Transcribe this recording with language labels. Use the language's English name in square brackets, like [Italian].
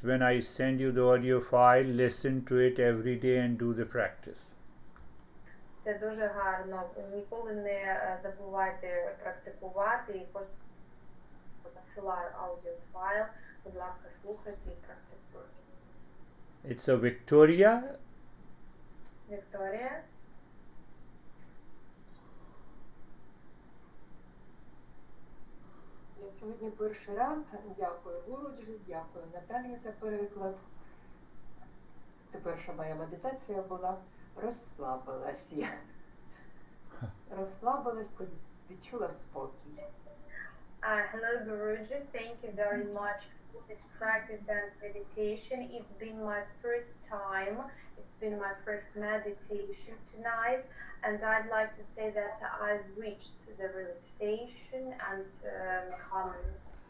[English] When I send you the audio file, listen to it every day and do the practice. [Ukrainian] Це дуже гарно. Ніколи не забувайте практикувати і посилаю аудіофайл. Будь ласка, слухайте і практикуйте. [English] It's a Victoria. Victoria. [Ukrainian] сьогодні перший раз. Дякую, Гуруджі, дякую, Наталі, за переклад. Це перша моя медитація була. Розслабилась я. Розслабилась, відчула спокій. [English] Hello, Guruji. Thank you very much for this practice and meditation. It's been my first time. It's been my first meditation tonight. And I'd like to say that I've reached the relaxation and calmness.